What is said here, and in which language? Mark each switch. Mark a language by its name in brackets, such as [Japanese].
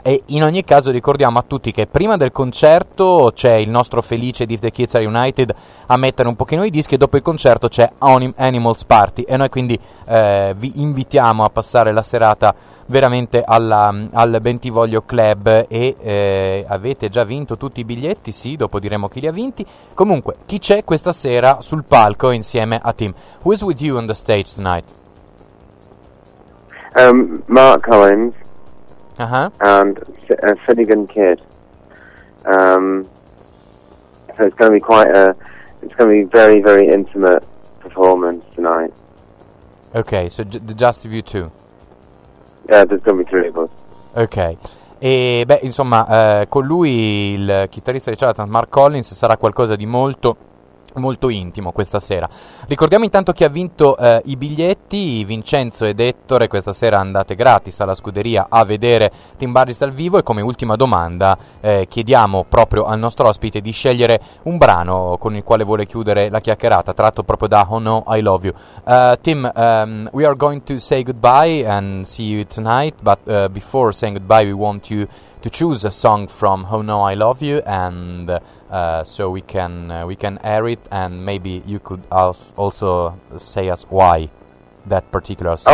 [Italian] E in ogni caso ricordiamo a tutti che prima del concerto c'è il nostro felice Diff the Kids Are United a mettere un pochino i dischi, e dopo il concerto c'è Animals Party, e noi quindi vi invitiamo a passare la serata veramente al Bentivoglio Club. E avete già vinto tutti i biglietti? Sì, dopo diremo chi li ha vinti. Comunque, chi c'è questa sera sul palco insieme a Tim? [English] Who is with you on the stage tonight? Mark Collins. Uh-huh. And Finnegan Kidd. So it's going to be very, very intimate performance tonight. Okay, so just of you two. Yeah, there's going to be three of us. Okay. [Italian] E beh, insomma, con lui il chitarrista di Charlatan, Mark Collins, sarà qualcosa di molto molto intimo questa sera. Ricordiamo intanto chi ha vinto i biglietti: Vincenzo ed Ettore. Questa sera andate gratis alla scuderia a vedere Tim Burriss dal vivo. E come ultima domanda chiediamo proprio al nostro ospite di scegliere un brano con il quale vuole chiudere la chiacchierata, tratto proprio da Oh No, I Love You. [English] Tim, we are going to say goodbye and see you tonight, but before saying goodbye we want you to choose a song from Oh No, I Love You, and so we can air it, and maybe you could also say us why that particular song.